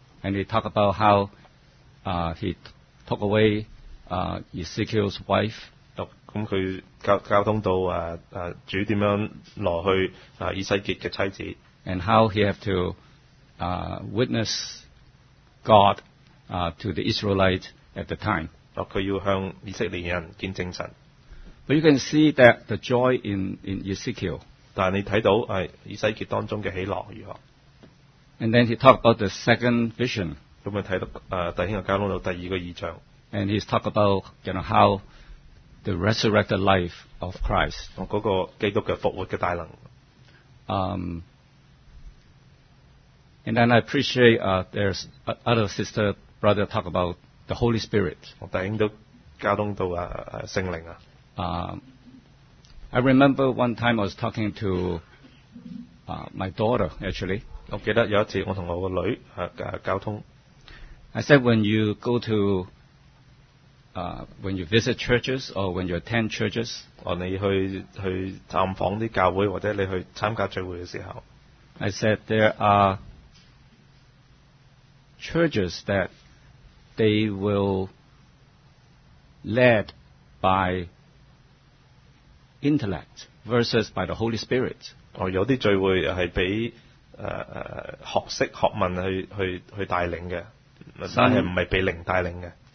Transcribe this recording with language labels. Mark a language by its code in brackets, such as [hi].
[en] And he talk about how he took away Ezekiel's wife. [yue] 咁佢交通到主点样挪去以西结嘅妻子。 [en] And how he have to witness God to the Israelites at the time. [yue] 佢要向以色列人见证神。 [en] But you can see that the joy in Ezekiel. [yue] 但你睇到以西结当中嘅喜乐如何 [en] ？And then he talk about the second vision. [yue] 咁咪睇到弟兄嘅交通到第二个异象。 [en] And he talk about you know how the resurrected life of Christ. [yue] 嗰个基督嘅复活嘅大能。 [en] And then I appreciate there's other sister brother talk about the Holy Spirit. [yue] 弟兄都交通到圣灵啊。 [en] I remember one time I was talking to my daughter actually. [yue] 我记得有一次我同我个女交通。 [en] I said when you go to when you visit churches or when you attend churches, [yue] 你去探访啲教会或者你去参加聚会嘅时候 [en] ，I said there are churches that they will led by intellect versus by the Holy Spirit. [yue] 有啲聚会系俾学识学问去带领嘅，但系唔系俾灵带领嘅。